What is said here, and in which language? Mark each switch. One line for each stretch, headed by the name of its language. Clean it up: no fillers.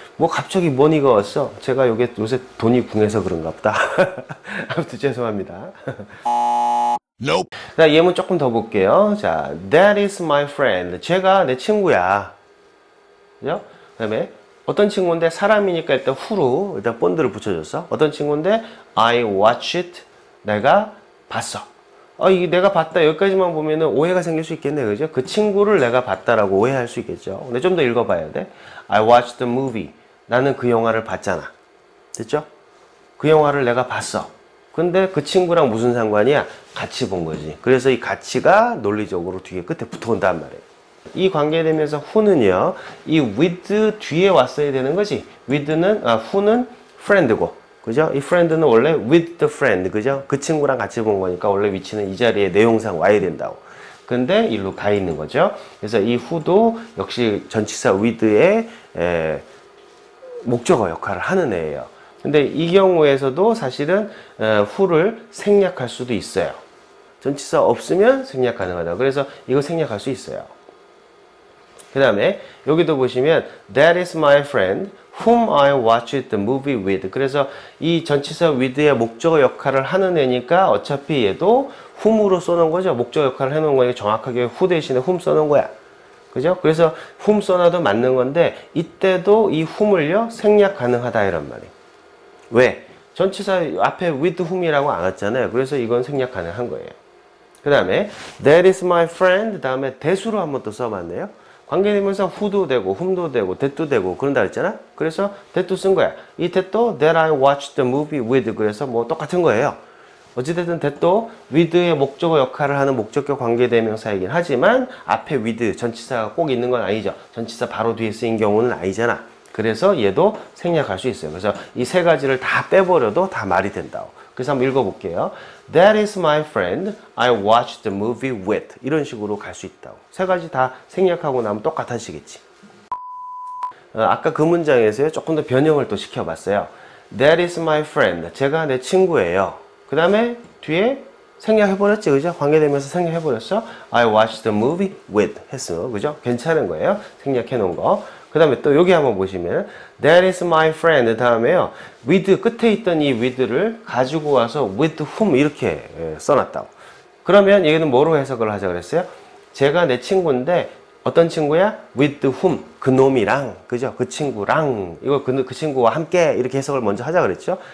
Korean: 뭐 갑자기 머니가 왔어. 제가 요새 돈이 궁해서 그런가 보다. 아무튼 죄송합니다.
English: Nope.
Korean: 자, 예문 조금 더 볼게요. 자,
English: That is my friend.
Korean: 제가 내 친구야. 그죠? 그다음에 어떤 친구인데, 사람이니까 일단 후로 일단 본드를 붙여줬어. 어떤 친구인데,
English: I watched it.
Korean: 내가 봤어. 이게 내가 봤다 여기까지만 보면은 오해가 생길 수 있겠네, 그죠? 그 친구를 내가 봤다라고 오해할 수 있겠죠. 근데 좀더 읽어봐야 돼.
English: I watched the movie.
Korean: 나는 그 영화를 봤잖아. 됐죠? 그 영화를 내가 봤어. 근데 그 친구랑 무슨 상관이야? 같이 본 거지. 그래서 이 같이가 논리적으로 뒤에 끝에 붙어온단 말이에요. 이 관계대명사 who는요, 이 with 뒤에 왔어야 되는 거지. with는, who는 friend고, 그죠? 이 friend는 원래 with the friend, 그죠? 그 친구랑 같이 본 거니까 원래 위치는 이 자리에 내용상 와야 된다고. 근데 일로 가 있는 거죠. 그래서 이 who도 역시 전치사 with의 목적어 역할을 하는 애예요. 근데 이 경우에서도 사실은 who를 생략할 수도 있어요. 전치사 없으면 생략 가능하다. 그래서 이거 생략할 수 있어요. 그 다음에 여기도 보시면
English: That is my friend whom I watched the movie with.
Korean: 그래서 이 전치사 with의 목적어 역할을 하는 애니까 어차피 얘도 whom으로 써놓은 거죠. 목적어 역할을 해놓은 거니까 정확하게 who 대신에 whom 써놓은 거야. 그죠? 그래서 whom 써놔도 맞는 건데 이때도 이 whom을요 생략 가능하다 이런 말이에요. 왜? 전치사 앞에 with whom이라고 안 왔잖아요. 그래서 이건 생략 가능한 거예요. 그 다음에
English: that is my friend
Korean: 다음에 대수로 한번 또 써봤네요. 관계대명사 who도 되고 whom도 되고 that도 되고 그런다 그랬잖아. 그래서 that도 쓴 거야. 이 that도
English: that I watched the movie with
Korean: 그래서 뭐 똑같은 거예요. 어찌됐든 that도 with의 목적어 역할을 하는 목적격 관계대명사이긴 하지만 앞에 with 전치사가 꼭 있는 건 아니죠. 전치사 바로 뒤에 쓰인 경우는 아니잖아. 그래서 얘도 생략할 수 있어요. 그래서 이 세 가지를 다 빼버려도 다 말이 된다고. 그래서 한번 읽어볼게요.
English: That is my friend I watched the movie with.
Korean: 이런 식으로 갈 수 있다고. 세 가지 다 생략하고 나면 똑같아지겠지. 아까 그 문장에서 조금 더 변형을 또 시켜봤어요.
English: That is my friend.
Korean: 제가 내 친구예요. 그 다음에 뒤에 생략해버렸지, 그죠? 관계되면서 생략해버렸어.
English: I watched the movie with
Korean: 했어, 그죠? 괜찮은 거예요. 생략해놓은 거. 그 다음에 또 여기 한번 보시면
English: That is my friend
Korean: 다음에요 with 끝에 있던 이 with를 가지고 와서 with whom 이렇게 써놨다고. 그러면 얘는 뭐로 해석을 하자 그랬어요? 제가 내 친구인데 어떤 친구야? with whom 그 놈이랑 그죠? 그 친구랑 이거 그 친구와 함께 이렇게 해석을 먼저 하자 그랬죠?